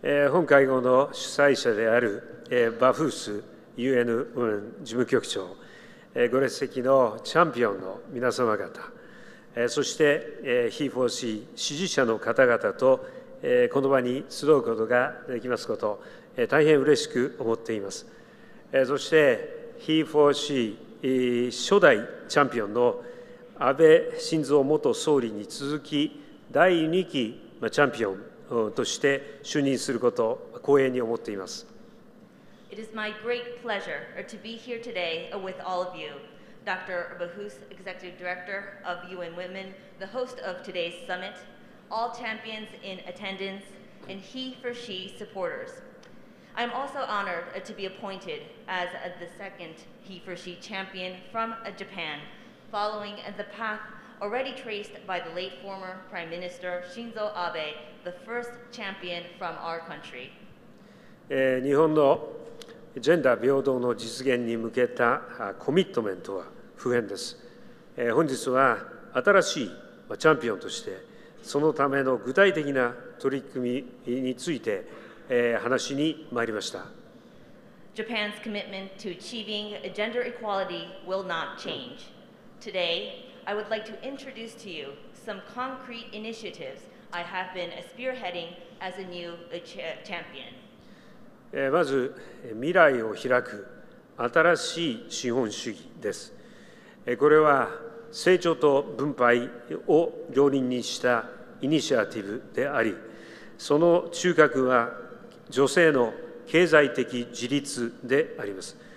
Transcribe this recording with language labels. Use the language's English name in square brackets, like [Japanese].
[Japanese] 本会合の主催者であるバフース UN Women 事務局長、ご列席のチャンピオンの皆様方、そして HeForShe 支持者の方々とこの場に集うことができますこと、大変嬉しく思っています。そして HeForShe 初代チャンピオンの安倍晋三元総理に続き第2期チャンピオンとして就任すること光栄に思っています。 [English] It is my great pleasure to be here today with all of you. Dr. Bahus, Executive Director of UN Women, the host of today's summit, all champions in attendance and HeForShe supportersI'm also honored to be appointed as the second HeForShe champion from Japan, following the path already traced by the late former Prime Minister Shinzo Abe, the first champion from our country. [Japanese] 日本のジェンダー平等の実現に向けたコミットメントは不変です。本日は新しいチャンピオンとして、そのための具体的な取り組みについて話に参りました。 [English] Japan's commitment to achieving gender equality will not change. Today, I would like to introduce to you some concrete initiatives I have been spearheading as a new champion. [Japanese] まず、未来を開く新しい資本主義です。これは成長と分配を両輪にしたイニシアティブであり、その中核は女性の経済的自立であります。